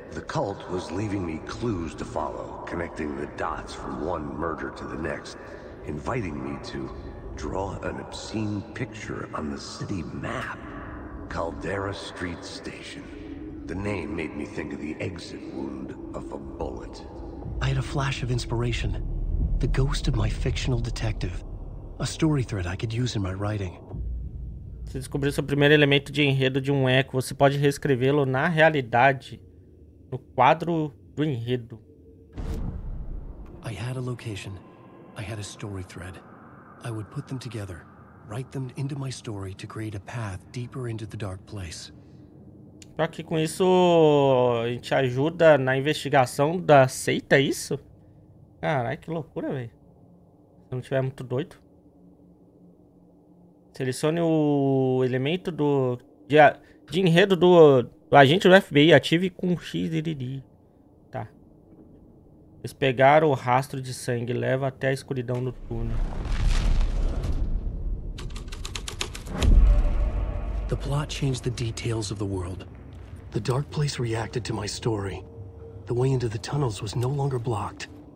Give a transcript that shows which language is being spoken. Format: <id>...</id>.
<en>The cult was leaving me clues to follow, connecting the dots from one murder to the next, inviting me to draw an obscene picture on the city map. Caldera Street Station. The name made me think of the exit wound of a bullet. I had a flash of inspiration. The ghost of my fictional detective. A story thread I could use in my writing.</en> <pt>Você descobriu seu primeiro elemento de enredo de um eco. Você pode reescrevê-lo na realidade, no quadro do enredo.</pt> <en>I had a location. I had a story thread. I would put them together, write them into my story to create a path deeper into the dark place.</en> <pt>Pior que com isso a gente ajuda na investigação da seita, é isso? Caralho, que loucura, velho. Se não tiver muito doido. Selecione o elemento do de enredo do agente do FBI, ative com X. Tá. Eles pegaram o rastro de sangue, leva até a escuridão do túnel.</pt> <en>The plot changed the details of the world. The dark place reacted to my story. The way into the tunnels was no longer blocked.</en>